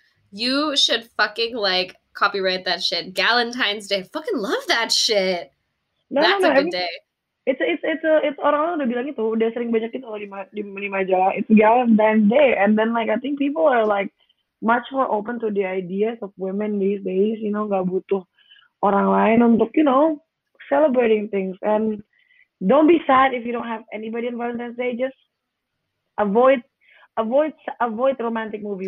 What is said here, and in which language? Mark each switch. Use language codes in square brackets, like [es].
[en] You should fucking like copyright that shit. Galentine's Day. Fucking love that shit. No, that's a good day. [id] It's orang udah bilang itu udah sering banyak itu di majalah. [en] It's Galentine's Day, and then like I think people are like much more open to the ideas of women these days. You know, [id] gak butuh orang lain untuk, [en] you know, celebrating things. And don't be sad if you don't have anybody on Valentine's Day. Just avoid romantic movie.